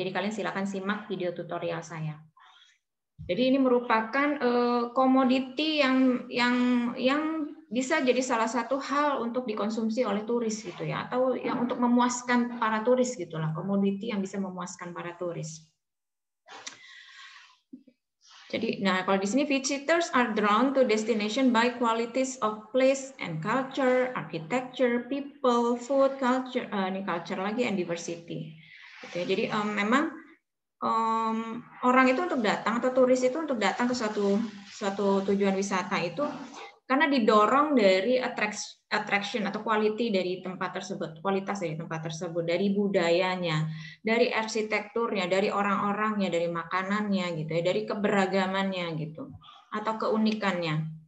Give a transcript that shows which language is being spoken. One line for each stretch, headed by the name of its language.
Indonesian: Jadi kalian silakan simak video tutorial saya. Jadi ini merupakan komoditi yang bisa jadi salah satu hal untuk dikonsumsi oleh turis gitu ya, atau yang untuk memuaskan para turis gitulah, komoditi yang bisa memuaskan para turis. Jadi, nah kalau di sini
English: visitors are drawn to destination by qualities of place and culture, architecture, people, food, culture,
Indonesian: ini culture lagi
English: and diversity.
Indonesian: Gitu ya. Jadi memang orang itu untuk datang atau turis itu untuk datang ke suatu tujuan wisata itu karena didorong dari attraction atau quality dari tempat tersebut, kualitas dari tempat tersebut, dari budayanya, dari arsitekturnya, dari orang-orangnya, dari makanannya gitu ya, dari keberagamannya gitu atau keunikannya.